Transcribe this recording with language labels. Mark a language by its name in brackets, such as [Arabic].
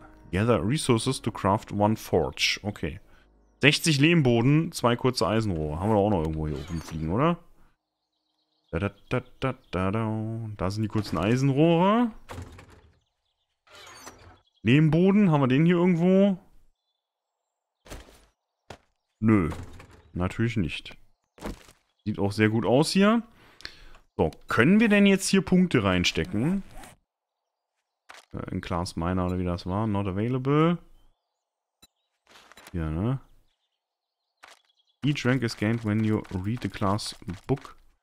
[English] Gather resources to craft one forge. [German] Okay. 60 Lehmboden, 2 kurze Eisenrohre. Haben wir doch auch noch irgendwo hier oben fliegen, oder? Da, da, da, da, da, da. Da sind die kurzen Eisenrohre. Lehmboden, haben wir den hier irgendwo? Nö. Natürlich nicht. Sieht auch sehr gut aus hier. So, können wir denn jetzt hier Punkte reinstecken? In Class Miner oder wie das war. [English] Not available. [German] Hier, ne? [English] Each rank is gained when you read the class book.